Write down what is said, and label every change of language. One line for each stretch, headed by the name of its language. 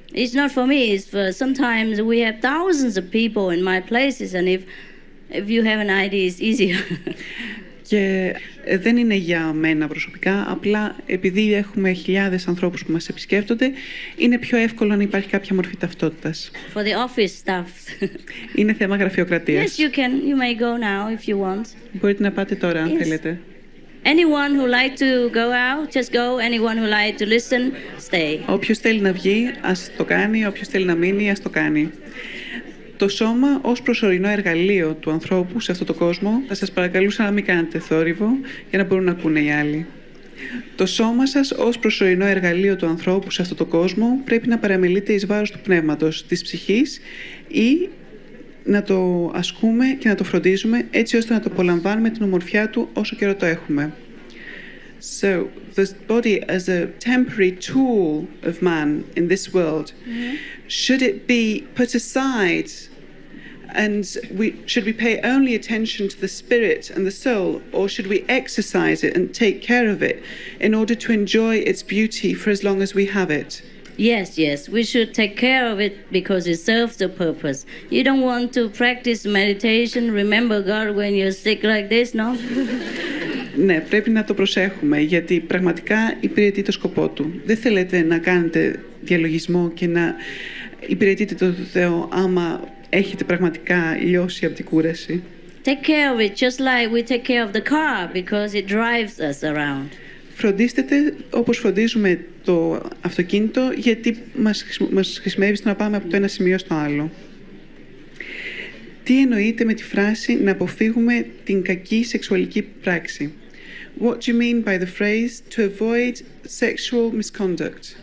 English: It's not for me, it's for sometimes we have thousands of people in my places and if you have an ID, it's easier.
Greek: Και δεν είναι για μένα προσωπικά, απλά επειδή έχουμε χιλιάδες ανθρώπους που μας επισκέπτονται, είναι πιο εύκολο να υπάρχει κάποια μορφή ταυτότητας.
English: For the office staff.
Greek: Είναι θέμα γραφειοκρατίας.
English: Yes, you can. You may go now if you want.
Greek: Μπορείτε να πάτε τώρα, αν θέλετε.
English: Anyone who like to go out, just go. Anyone who like to listen, stay.
Greek: Όποιος θέλει να βγει, ας το κάνει. Όποιος θέλει να μείνει, ας το κάνει. Το σώμα ως προσωρινό εργαλείο του ανθρώπου σε αυτόν τον κόσμο, θα σας παρακαλούσα να μην κάνετε θόρυβο για να μπορούν να ακούνε οι άλλοι. Το σώμα σας ως προσωρινό εργαλείο του ανθρώπου σε αυτόν τον κόσμο πρέπει να παραμελείται εις βάρος του πνεύματος, της ψυχής ή να το ασκούμε και να το φροντίζουμε έτσι ώστε να το απολαμβάνουμε την ομορφιά του όσο καιρό το έχουμε.
English: So, the body as a temporary tool of man in this world, should it be put aside and should we pay only attention to the spirit and the soul, or should we exercise it and take care of it in order to enjoy its beauty for as long as we have it? Yes, yes, we should take care of it because it serves the purpose. You don't want to practice meditation, remember God when you're sick like this, no?
Greek: Ναι, πρέπει να το προσέχουμε, γιατί πραγματικά υπηρετεί το σκοπό του. Δεν θέλετε να κάνετε διαλογισμό και να υπηρετείτε τον Θεό άμα έχετε πραγματικά λιώσει από την κούραση.
English: Take care of it, just like we take care of the car, because it drives us around.
Greek: Φροντίστε το όπως φροντίζουμε το αυτοκίνητο, γιατί μας χρησιμεύει στο να πάμε από το ένα σημείο στο άλλο. Τι εννοείται με τη φράση να αποφύγουμε την κακή σεξουαλική πράξη?
English: What do you mean by the phrase to avoid sexual misconduct?